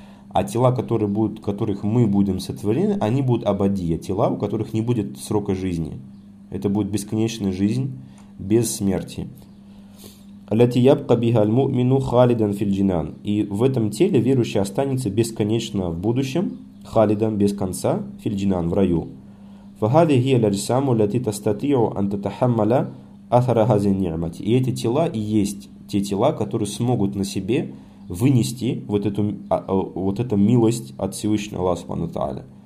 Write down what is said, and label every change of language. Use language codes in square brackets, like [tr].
[ru] А тела, которых мы будем сотворены, они будут абадия, тела, у которых не будет срока жизни. Это будет бесконечная жизнь, без смерти. [ar] Лати ябка бигаль му'мину халидан фил джинан. [ru] И в этом теле верующий останется бесконечно в будущем, [ar] خالدًا [ru] без конца [ar] في الجنان [ru] в раю. [ar] فهذه هي الأجسام التي تستطيع أن تتحمل أثر هذه النعمة. [ru] И эти тела и есть те тела, которые смогут на себе вынести вот эту вот эту милость от Всевышнего Аллаха Субхана Тааля.